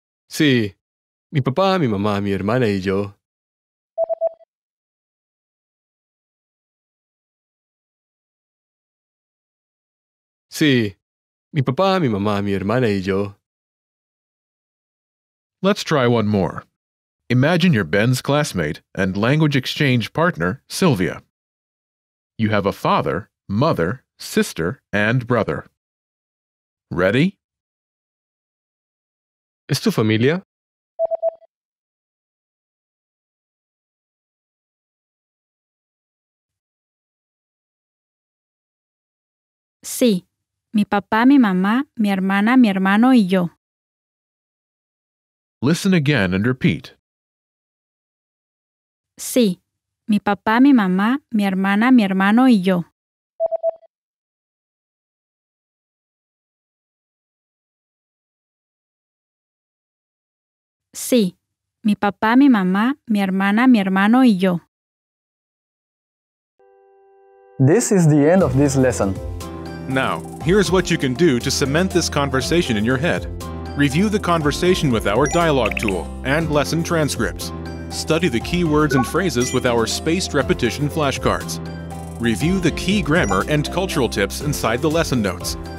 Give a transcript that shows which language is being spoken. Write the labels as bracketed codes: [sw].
[es] Sí, mi papá, mi mamá, mi hermana y yo. Sí, mi papá, mi mamá, mi hermana y yo. [en] Let's try one more. Imagine you're Ben's classmate and language exchange partner, Sylvia. You have a father, mother, sister, and brother. Ready? [es] ¿Es tu familia? Sí. Mi papá, mi mamá, mi hermana, mi hermano y yo. [en] Listen again and repeat. [es] Sí. Mi papá, mi mamá, mi hermana, mi hermano y yo. Sí. Mi papá, mi mamá, mi hermana, mi hermano y yo. [en] This is the end of this lesson. Now, here's what you can do to cement this conversation in your head. Review the conversation with our dialogue tool and lesson transcripts. Study the key words and phrases with our spaced repetition flashcards. Review the key grammar and cultural tips inside the lesson notes.